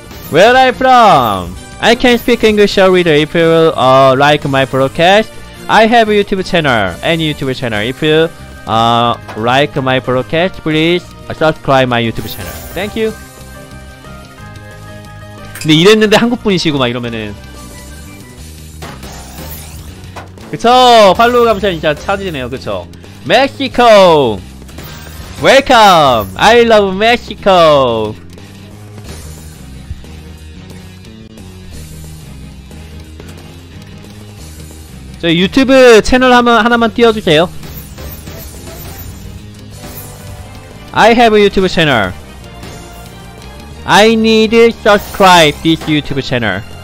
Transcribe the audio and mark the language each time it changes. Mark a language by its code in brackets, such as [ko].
[en] 'Where I from? I can speak English or read. If you like my broadcast, I have a YouTube channel. Any YouTube channel. If you like my broadcast, please subscribe my YouTube channel. Thank you. [ko] 근데 이랬는데 한국분이시고 막 이러면은. 그쵸? 팔로우 감사 인사 찾으시네요. 그쵸? 멕시코! 웰컴! [en] I love 멕시코! [ko] 저 유튜브 채널 하나만 띄워주세요. [en] I have a YouTube channel. I need to subscribe this YouTube channel.